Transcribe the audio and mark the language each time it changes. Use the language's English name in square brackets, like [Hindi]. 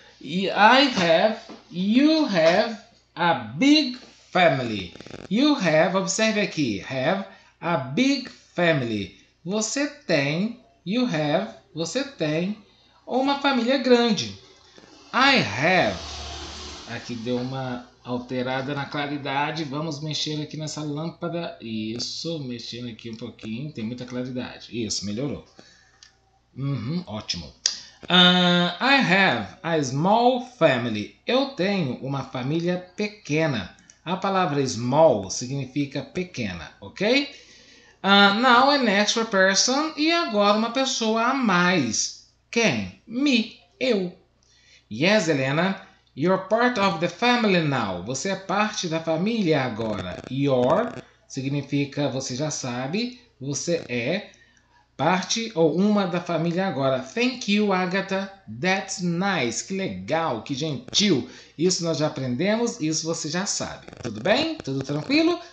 [English] I have, you have a big family. You have, [Portuguese] observe aqui, [English] have a big family. [Portuguese] Você tem, [English] you have, [Portuguese] você tem uma família grande. [English] I have. [Portuguese] Aqui deu uma alterada na claridade. Vamos mexer aqui nessa lâmpada. Isso, mexendo aqui um pouquinho. Tem muita claridade. Isso, melhorou. Uhum, ótimo. [English] I have a small family. [Portuguese] Eu tenho uma família pequena. A palavra small significa pequena, ok? [English] Now an extra person. [Portuguese] E agora uma pessoa a mais. Quem? Me. Eu. Yes, Helena. [English] You're part of the family now. [Portuguese] Você é parte da família agora. Your significa, você já sabe, você é parte ou uma da família agora. [English] Thank you, Agatha. That's nice. [Portuguese] Que legal, que gentil. Isso nós já aprendemos, isso você já sabe. Tudo bem? Tudo tranquilo?